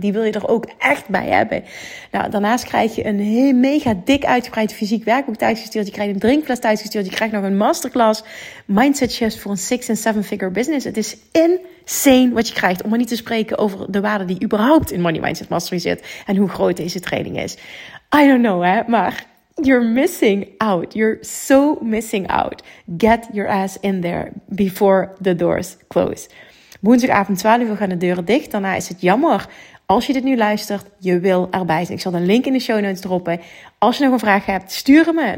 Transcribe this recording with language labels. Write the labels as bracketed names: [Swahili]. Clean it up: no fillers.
[Dutch] Die wil je er ook echt bij hebben. Nou, daarnaast krijg je een mega dik uitgebreid fysiek werkboek thuisgestuurd. Je krijgt een drinkfles thuisgestuurd. Je krijgt nog een masterclass Mindset Shifts voor een 6- en 7-figure business. Het is insane wat je krijgt. Om maar niet te spreken over de waarde die überhaupt in Money Mindset Mastery zit en hoe groot deze training is. [English] I don't know, [Dutch] hè, maar... [English] You're missing out. You're so missing out. Get your ass in there before the doors close. [Dutch] Woensdagavond 12 uur gaan de deuren dicht. Daarna is het jammer. Als je dit nu luistert, je wil erbij zijn. Ik zal de link in de show notes droppen. Als je nog een vraag hebt, stuur me.